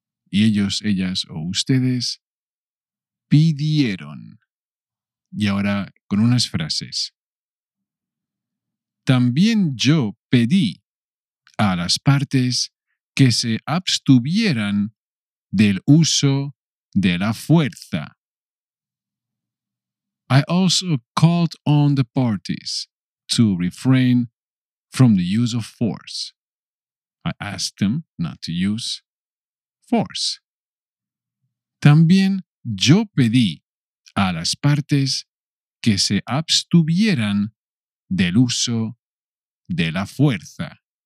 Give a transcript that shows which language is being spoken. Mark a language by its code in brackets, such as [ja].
[es] Y ellos, ellas o ustedes pidieron. Y ahora con unas frases. También yo pedí a las partes que se abstuvieran del uso de la fuerza. [en] I also called on the parties to refrain from the use of force. I asked them not to use force. [es] También yo pedí a las partes que se abstuvieran del uso de la fuerza.